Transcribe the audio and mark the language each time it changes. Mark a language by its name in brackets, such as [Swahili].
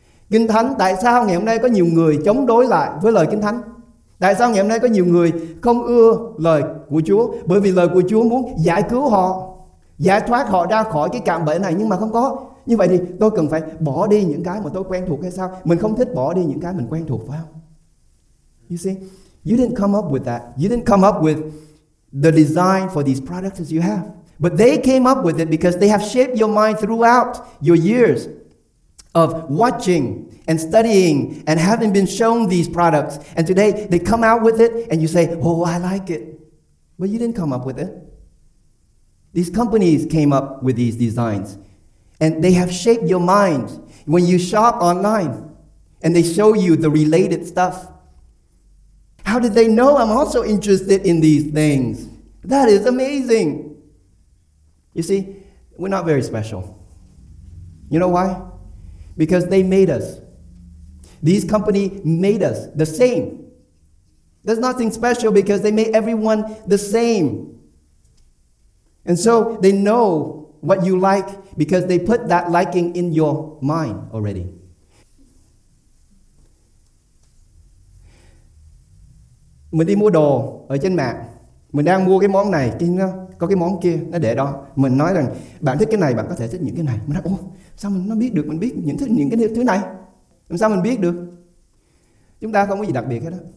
[Vietnamese] Kinh Thánh, tại sao ngày hôm nay có nhiều người chống đối lại với lời Kinh Thánh? Tại sao ngày hôm nay có nhiều người không ưa lời của Chúa? Bởi vì lời của Chúa muốn giải cứu họ, giải thoát họ ra khỏi cái cạm bẫy này, nhưng mà không có. Như vậy thì tôi cần phải bỏ đi những cái mà tôi quen thuộc hay sao? Mình không thích bỏ đi những cái mình quen thuộc, phải không? [English] You see, you didn't come up with that. You didn't come up with the design for these products you have. But they came up with it because they have shaped your mind throughout your years of watching and studying and having been shown these products. And today they come out with it and you say, oh, I like it. But you didn't come up with it. These companies came up with these designs. And they have shaped your mind. When you shop online and they show you the related stuff, how did they know I'm also interested in these things? That is amazing. You see, we're not very special. You know why? Because they made us. These companies made us the same. There's nothing special because they made everyone the same. And so they know what you like, because they put that liking in your mind already. [Vietnamese] Mình đi mua đồ ở trên mạng, mình đang mua cái món này, cái nó có cái món kia, nó để đó. Mình nói rằng bạn thích cái này, bạn có thể thích những cái này. Mình nói, ô, sao mình nó biết được, mình biết những thích những cái thứ này, làm sao mình biết được? Chúng ta không có gì đặc biệt hết đó.